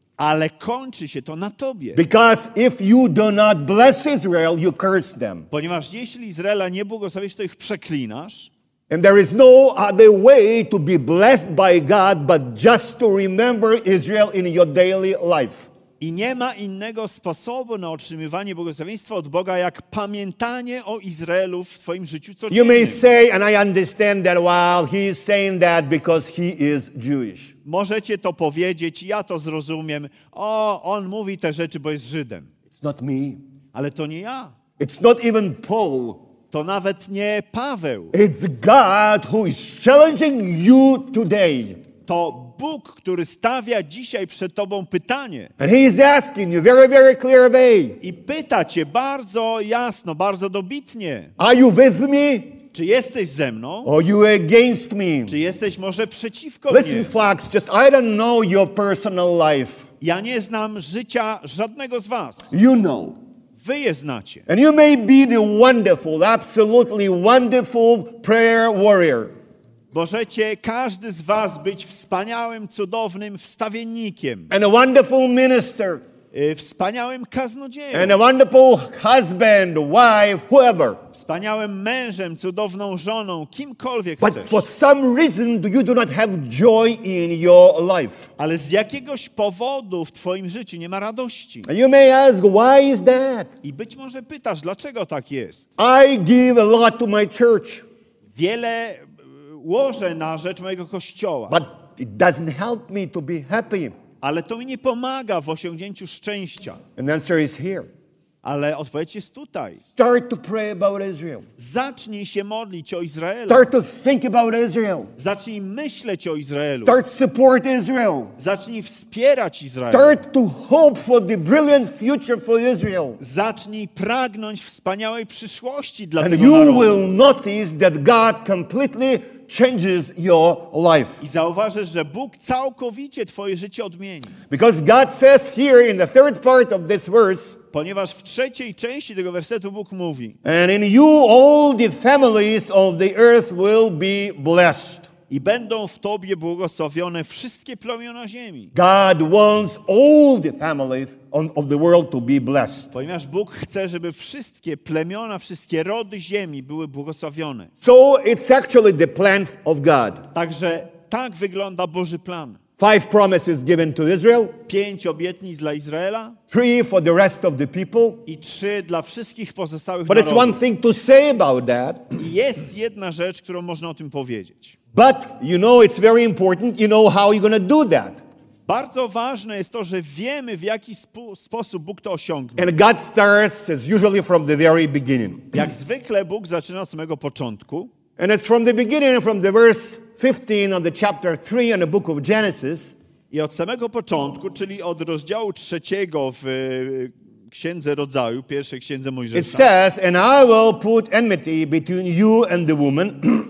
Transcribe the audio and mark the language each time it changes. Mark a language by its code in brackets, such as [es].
[pl] Ale kończy się to na tobie. [en] Because if you do not bless Israel, you curse them. [pl] Ponieważ jeśli Izraela nie błogosławisz, to ich przeklinasz. [en] And there is no other way to be blessed by God but just to remember Israel in your daily life. [pl] I nie ma innego sposobu na otrzymywanie błogosławieństwa od Boga jak pamiętanie o Izraelu w twoim życiu codziennym. [en] You may say, and I understand that, while he is saying that because he is Jewish. [pl] Możecie to powiedzieć, ja to zrozumiem. O, on mówi te rzeczy, bo jest Żydem. [en] It's not me. [pl] Ale to nie ja. [en] It's not even Paul. [pl] To nawet nie Paweł. [en] It's God who is challenging you today. [pl] To Bóg, który stawia dzisiaj przed tobą pytanie. [en] And he is asking you very, very clear way. [pl] I pyta cię bardzo jasno, bardzo dobitnie. [en] Are you with me? [pl] Czy jesteś ze mną? [en] Are you against me? [pl] Czy jesteś może przeciwko [en] Listen, [pl] mnie? [en] Listen, Fox, just I don't know your personal life. [pl] Ja nie znam życia żadnego z was. [en] You know. [pl] Wy je znacie. [en] And you may be the wonderful, absolutely wonderful prayer warrior. [pl] Możecie każdy z was być wspaniałym, cudownym wstawiennikiem. [en] And a wonderful minister. [pl] Wspaniałym kaznodzieją. [en] And a wonderful husband, wife, whoever. [pl] Wspaniałym mężem, cudowną żoną, kimkolwiek [en] But [pl] chcesz. [en] For some reason you do not have joy in your life. [pl] Ale z jakiegoś powodu w twoim życiu nie ma radości. [en] And you may ask, why is that? [pl] I być może pytasz, dlaczego tak jest. [en] I give a lot to my church. [pl] Wiele łożę na rzecz mojego kościoła. [en] But it doesn't help me to be happy. [pl] Ale to mi nie pomaga w osiągnięciu szczęścia. [en] And the answer is here. [pl] Ale odpowiedź jest tutaj. [en] Start to pray about Israel. [pl] Zacznij się modlić o Izraelu. [en] Start to think about Israel. [pl] Zacznij myśleć o Izraelu. [en] Start support Israel. [pl] Zacznij wspierać Izrael. [en] Start to hope for the brilliant future for Israel. [pl] Zacznij pragnąć wspaniałej przyszłości dla [en] And [pl] tego [en] you [pl] narodu. [en] You will notice that God completely changes your life. [pl] I zauważysz, że Bóg całkowicie twoje życie odmieni. [en] Because God says here in the third part of this verse. [pl] Ponieważ w trzeciej części tego wersetu Bóg mówi. [en] And in you all the families of the earth will be blessed. [pl] I będą w tobie błogosławione wszystkie plemiona ziemi. [en] God wants all the families of the world to be blessed. [pl] Ponieważ Bóg chce, żeby wszystkie plemiona, wszystkie rody ziemi były błogosławione. [en] So it's actually the plan of God. [pl] Także tak wygląda Boży plan. [en] 5 promises given to Israel. [pl] 5 obietnic dla Izraela. [en] 3 for the rest of the people. [pl] I 3 dla wszystkich pozostałych [en] But [pl] narodów. [en] But it's one thing to say about that. [pl] I jest jedna rzecz, którą można o tym powiedzieć. [en] But you know it's very important. You know how you're going to do that. [pl] Bardzo ważne jest to, że wiemy, w jaki sposób Bóg to osiągnie. [en] And God starts as usually from the very beginning. [pl] Jak zwykle Bóg zaczyna od samego początku. [en] And it's from the beginning, from the verse 15 on the chapter 3 in the book of Genesis. [pl] I od samego początku, czyli od rozdziału trzeciego w Księdze Rodzaju, pierwszej Księdze Mojżesza. [en] It says, and I will put enmity between you and the woman.